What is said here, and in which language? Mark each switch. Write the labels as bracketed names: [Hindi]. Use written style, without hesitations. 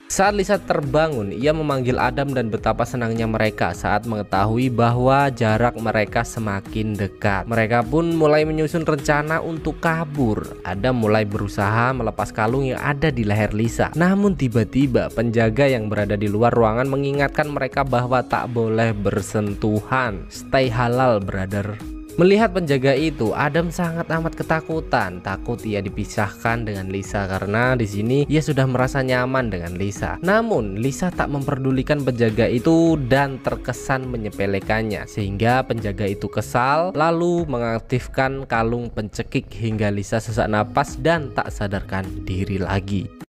[Indonesian] Saat Lisa terbangun, ia memanggil Adam dan betapa senangnya mereka saat mengetahui bahwa jarak mereka semakin dekat. Mereka pun mulai menyusun rencana untuk kabur. Adam mulai berusaha melepas kalung yang ada di leher Lisa. Namun tiba-tiba penjaga yang berada di luar ruangan mengingatkan mereka bahwa tak boleh bersentuhan. Tuhan, [English] stay halal brother. [Indonesian] Melihat penjaga itu, Adam sangat amat ketakutan. Takut ia dipisahkan dengan Lisa karena di sini ia sudah merasa nyaman dengan Lisa. Namun, Lisa tak memperdulikan penjaga itu dan terkesan menyepelekannya. Sehingga penjaga itu kesal, lalu mengaktifkan kalung pencekik hingga Lisa sesak napas dan tak sadarkan diri lagi.